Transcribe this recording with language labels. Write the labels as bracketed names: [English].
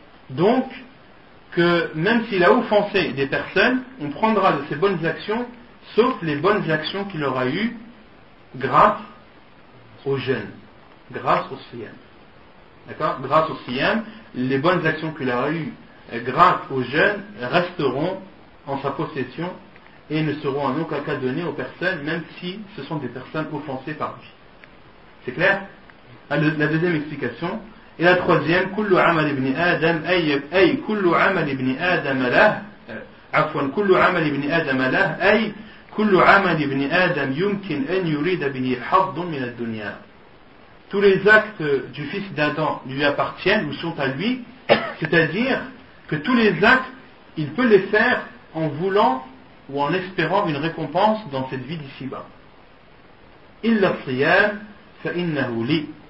[French] Donc, que même s'il a offensé des personnes, on prendra de ses bonnes actions, sauf les bonnes actions qu'il aura eues grâce au jeûne, grâce au siyam. D'accord? Grâce au siyam, les bonnes actions qu'il a eues grâce au jeûne resteront en sa possession et ne seront en aucun cas données aux personnes, même si ce sont des personnes offensées par lui. C'est clair ? La deuxième explication. Et la troisième, [Arabic] كل عمل ابن آدم أي كل عمل ابن آدم له عفوا كل عمل ابن آدم له أي كل عمل ابن آدم يمكن أن يريد به حظ من الدنيا. [French] Tous les actes du fils d'Adam lui appartiennent ou sont à lui, c'est-à-dire que tous les actes, il peut les faire en voulant ou en espérant une récompense dans cette vie d'ici-bas. [Arabic] إلا الصيام فإنه لي.